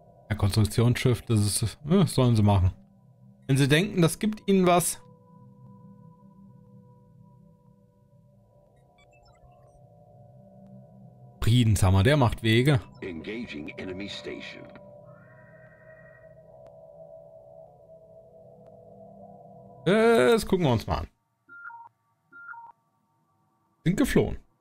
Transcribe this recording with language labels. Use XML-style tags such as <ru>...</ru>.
<de>Ein Konstruktionsschiff, das ist, sollen sie machen. Wenn sie denken, das gibt ihnen was. Friedenshammer, der macht Wege.</de> <en>Engaging enemy station.</en> <de>Das gucken wir uns mal an. Sind geflohen.</de>